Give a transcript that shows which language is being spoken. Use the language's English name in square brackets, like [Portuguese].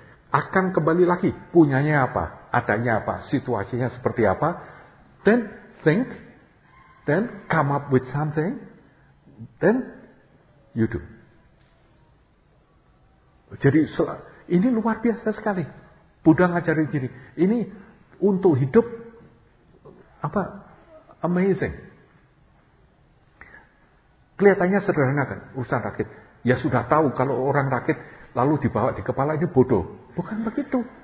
[Indonesian] Akan kembali lagi, punyanya apa, adanya apa, situasinya seperti apa. [English] Then think, then come up with something, then you do. [Indonesian] Jadi ini luar biasa sekali. Buddha ngajarin diri. Ini untuk hidup apa amazing. Kelihatannya sederhana kan urusan rakit. Ya sudah tahu kalau orang rakit lalu dibawa di kepala ini bodoh. Bukan begitu.